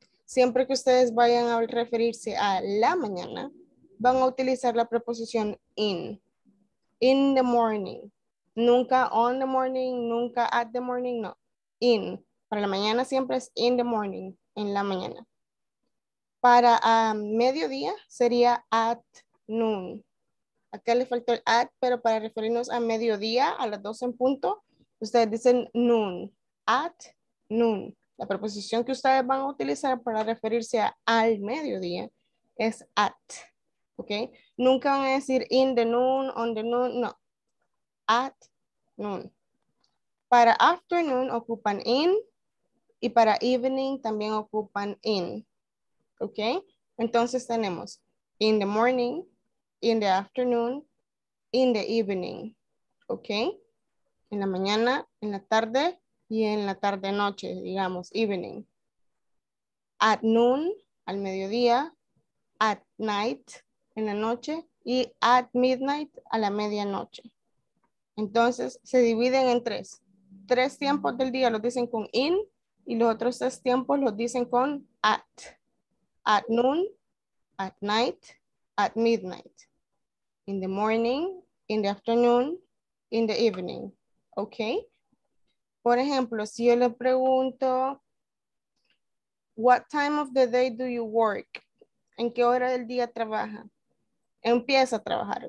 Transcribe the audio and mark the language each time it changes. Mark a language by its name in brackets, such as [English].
[Spanish] Siempre que ustedes vayan a referirse a la mañana, van a utilizar la preposición in. [English] In the morning. Nunca on the morning, nunca at the morning, no. [Spanish] In. Para la mañana siempre es in the morning, en la mañana. Para mediodía sería at noon. Acá le faltó el at, pero para referirnos a mediodía, a las 12 en punto, ustedes dicen noon, at noon. La preposición que ustedes van a utilizar para referirse a al mediodía es at, ¿ok? [English] Nunca van a decir in the noon, on the noon, no. At noon. [Spanish] Para afternoon ocupan in y para evening también ocupan in. ¿Ok? [English] Entonces tenemos in the morning, in the afternoon, in the evening. ¿Ok? [Spanish] En la mañana, en la tarde y en la tarde-noche, digamos, evening. At noon, al mediodía, at night, en la noche, y at midnight, a la medianoche. Entonces, se dividen en tres. Tres tiempos del día los dicen con in y los otros tres tiempos los dicen con at. [English] At noon, at night, at midnight. In the morning, in the afternoon, in the evening. [Spanish] ¿Ok? Por ejemplo, si yo le pregunto, what time of the day do you work? ¿En qué hora del día trabaja? Empieza a trabajar.